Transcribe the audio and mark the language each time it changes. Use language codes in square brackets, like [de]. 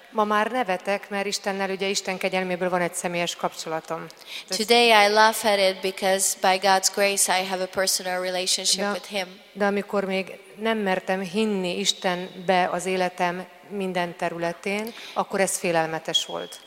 [hu] Ma már nevetek, mert Istennel ugye Isten kegyelméből van egy személyes kapcsolatom. [en] Today I laugh at it because by God's grace I have a personal relationship with him. [hu] De amikor még nem mertem hinni Istenbe az életem minden területén, akkor ez félelmetes volt.